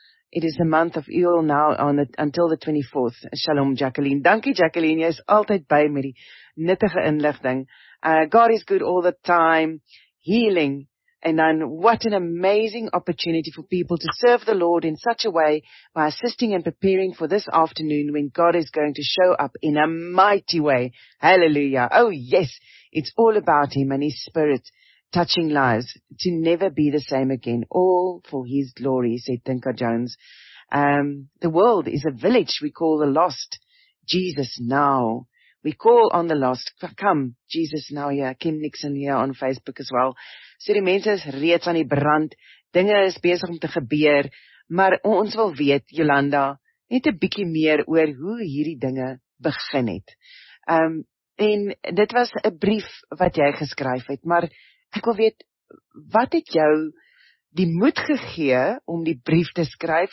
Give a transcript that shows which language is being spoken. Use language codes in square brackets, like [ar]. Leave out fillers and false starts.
[en] It is the month of Eul now on until the 24th. Shalom Jacqueline. [af] Dankie Jacqueline, jy is altyd by met die nuttige inligting. [en] God is good all the time. Healing. And then what an amazing opportunity for people to serve the Lord in such a way by assisting and preparing for this afternoon when God is going to show up in a mighty way. Hallelujah. Oh yes, it's all about Him and His Spirit touching lives to never be the same again. All for His glory, said Tinka Jones. The world is a village we call the lost. Jesus now. We call on the lost. Come, Jesus now. Yeah, Kim Nixon here on Facebook as well. [af] So die mense is reeds aan die brand. Dinge is besig om te gebeur. Maar ons wil weet, Jolanda, net 'n bietjie meer oor hoe hierdie dinge begin het. En dit was 'n brief wat jy geskryf het. Maar ek wil weet, wat het jou die moed gegee om die brief te skryf?